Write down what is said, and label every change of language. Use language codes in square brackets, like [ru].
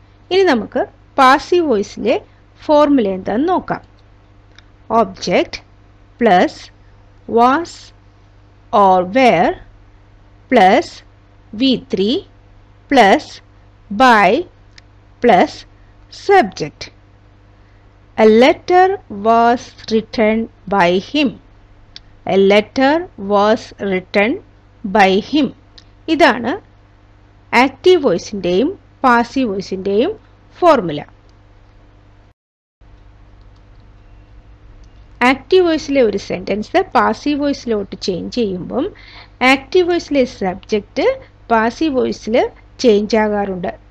[ml] ഇനി നമുക്ക് passive വോയിസിലെ formula എന്താന്ന് നോക്കാം. [en] Object plus was or were plus V three plus by plus subject. A letter was written by him. A letter was written by him. [ml] ഇതാണ് active വോയിസിൻ്റെയും passive വോയിസിൻ്റെയും formula. Active വോയിസിലെ ഒരു sentence passive വോയിസിലോട്ട് change ചെയ്യുമ്പം active വോയിസിലെ subject passive വോയിസിൽ change ആകാറുണ്ട്.